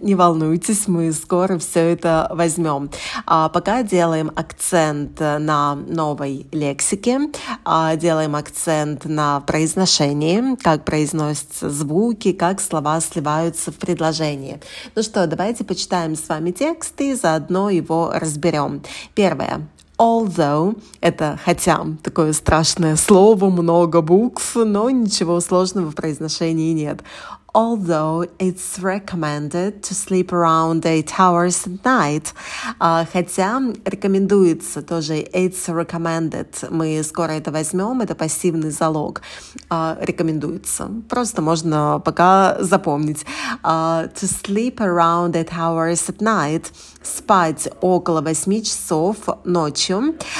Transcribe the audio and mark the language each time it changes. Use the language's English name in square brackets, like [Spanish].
[Russian] Не волнуйтесь, мы скоро все это возьмем. А пока делаем акцент на новой лексике, делаем акцент на произношении, как произносятся звуки, как слова сливаются в предложении. Ну что, давайте почитаем с вами текст и заодно его разберем. Первое. Although — это «хотя» — такое страшное слово, много букв, но ничего сложного в произношении нет. [English] Although it's recommended to sleep around 8 hours at night. [Russian] Хотя рекомендуется тоже [English] it's recommended. [Russian] Мы скоро это возьмем, это пассивный залог. Рекомендуется. Просто можно пока запомнить. [English] To sleep around 8 hours at night. [Russian] Спать около 8 часов ночью.